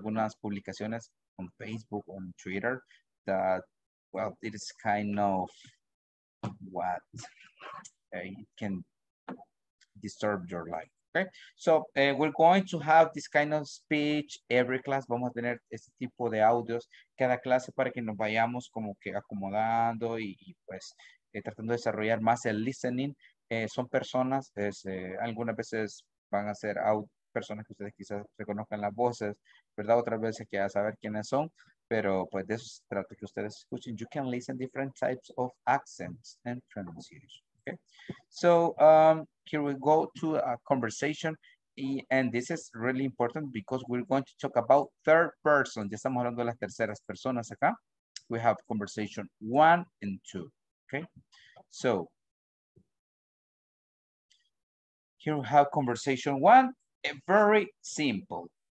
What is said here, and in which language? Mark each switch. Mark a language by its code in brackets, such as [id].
[es] Algunas publicaciones [en] on Facebook, on Twitter, that, well, it is kind of what it can disturb your life, okay? So we're going to have this kind of speech every class. [es] Vamos a tener este tipo de audios cada clase para que nos vayamos como que acomodando y pues tratando de desarrollar más el listening. Son personas, algunas veces van a ser audios, personas que ustedes quizás reconozcan las voces, ¿verdad? Otras veces que ya saber quiénes son, pero pues de eso se trata que ustedes escuchen. [en] You can listen different types of accents and pronunciation, okay? So, here we go to a conversation, and this is really important because we're going to talk about third person. [es] Ya estamos hablando de las terceras personas acá. [en] we have conversation one and two. Okay, so here we have conversation one, very simple.